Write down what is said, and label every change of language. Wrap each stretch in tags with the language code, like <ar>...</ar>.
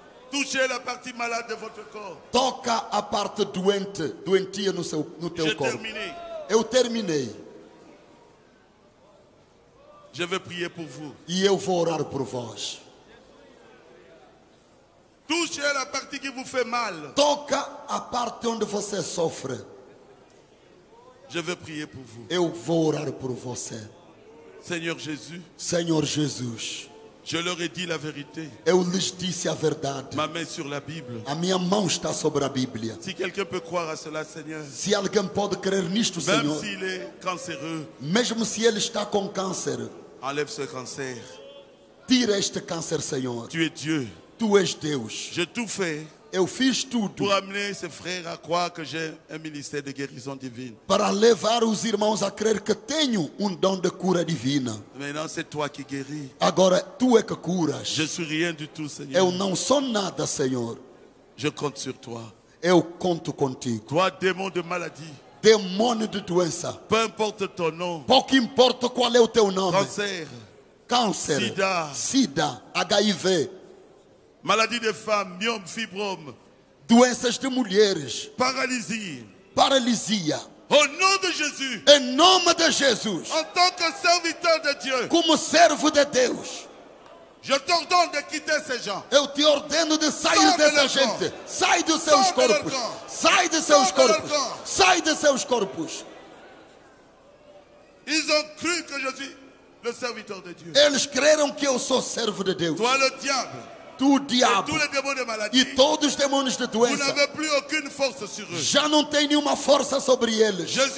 <fr>Touchez la partie malade de votre corps.</fr> <pt>Toca a parte doente, doentia no teu</pt> <fr>j'ai</fr> <pt>corpo.</pt> <fr>Terminé.</fr> <pt>Eu terminei.</pt> <fr>Je vais prier pour vous.</fr> <pt>E eu vou orar por vós.</pt> <fr>Touche la partie qui vous fait mal.</fr> <pt>Toca a parte onde você sofre.</pt> <fr>Je vais prier pour vous.</fr> <pt>Eu vou orar por você.</pt> <fr>Seigneur Jésus.</fr> <pt>Senhor Jesus.</pt> <fr>Je leur ai dit la vérité.</fr> <pt>Eu lhes disse a verdade.</pt> <fr>Ma main sur la Bible.</fr> <pt>A minha mão está sobre a Bíblia.</pt> <fr>Si quelqu'un peut croire à cela, Seigneur.</fr> <pt>Se alguém pode crer nisto,</pt> <fr>même</fr> <pt>Senhor.</pt> <fr>Même s'il est cancéreux.</fr> <pt>Mesmo se ele está com câncer.</pt> <fr>Enlève ce cancer.</fr> <pt>Tire este câncer, Senhor.</pt> <fr>Tu es Dieu.</fr> <pt>Tu és Deus.</pt> <fr>J'ai tout fait.</fr> <pt>Eu fiz tudo.</pt> <fr>Pour amener ses frères à croire que j'ai un ministère de guérison divine.</fr> <pt>Para levar os irmãos a crer que tenho dom de cura divina.</pt> <fr>Maintenant c'est toi qui guéris.</fr> <pt>Agora tu é que curas.</pt> <fr>Je suis rien du tout, Seigneur.</fr> <pt>Eu não sou nada, Senhor.</pt> <fr>Je compte sur toi.</fr> <pt>Eu conto contigo.</pt> <fr>Toi, démon de maladie.</fr> <pt>Demônio de doença.</pt> <fr>Peu importe ton nom.</fr> <pt>Pouco importa qual é o teu nome.</pt> <fr>Câncer.</fr> <pt>Câncer.</pt> <fr>Sida.</fr> <pt>Sida. HIV.</pt> <fr>Maladie de femme, myome, fibrome.</fr> <pt>Doenças de mulheres.</pt> <fr>Paralisia.</fr> <pt>Paralisia.</pt> <fr>Au nom de Jésus.</fr> <pt>Em nome de Jesus.</pt> <fr>En tant que serviteur de Dieu.</fr> <pt>Como servo de Deus.</pt> <fr>Je t'ordonne de quitter ces gens.</fr> <pt>Eu te ordeno de sair dessa gente. Sai dos seus corpos. Sai dos seus corpos. Sai dos seus corpos.</pt> <fr>Ils ont cru que je suis le serviteur de Dieu.</fr> <pt>Eles creram que eu sou servo de Deus.</pt> <fr>Toi le diable.</fr> <pt>Tu, diabo, e todos os demônios de doença, já não tem nenhuma força sobre eles.</pt>